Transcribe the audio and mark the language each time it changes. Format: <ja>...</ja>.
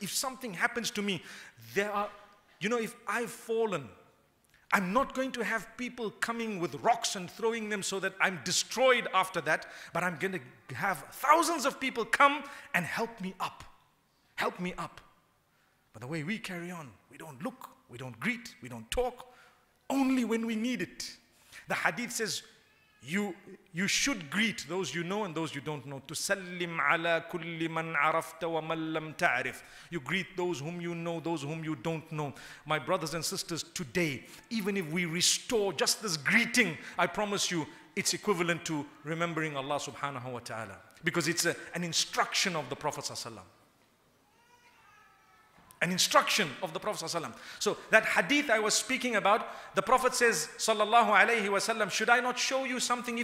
<en>If something happens to me, there are, you know, if I've fallen, I'm not going to have people coming with rocks and throwing them so that I'm destroyed after that, but I'm going to have thousands of people come and help me up. Help me up. But the way we carry on, we don't look, we don't greet, we don't talk, only when we need it. The hadith says, you should greet those you know and those you don't know.</en> <ar>تسلم على كل من عرفت ومن لم تعرف.</ar> <en>You greet those whom you know, those whom you don't know. My brothers and sisters, today, even if we restore just this greeting, I promise you, it's equivalent to remembering Allah subhanahu wa ta'ala. Because it's an instruction of the Prophet sallallahu alaihi wasallam. An instruction of the Prophet sallallahu alaihi wasallam. So that hadith I was speaking about, the Prophet says, sallallahu alaihi wasallam, should I not show you something?</en>